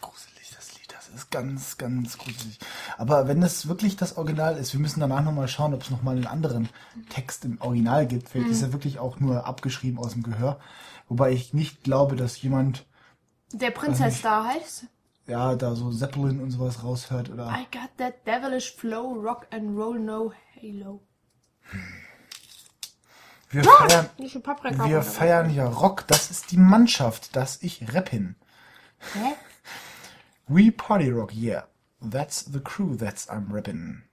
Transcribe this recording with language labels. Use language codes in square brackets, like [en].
[de] Gruselig, das Lied, das ist ganz, ganz gruselig. Aber wenn das wirklich das Original ist, wir müssen danach nochmal schauen, ob es nochmal einen anderen Text im Original gibt. Vielleicht ist er wirklich auch nur abgeschrieben aus dem Gehör. Wobei ich nicht glaube, dass jemand... Der Prinzess da heißt? Ja, da so Zeppelin und sowas raushört. Oder. [en] I got that devilish flow, rock and roll, no halo. [de] Wir feiern ja Rock, das ist die Mannschaft, das ich rappin. Hä? [en] We party rock, yeah. That's the crew, that's I'm rappin.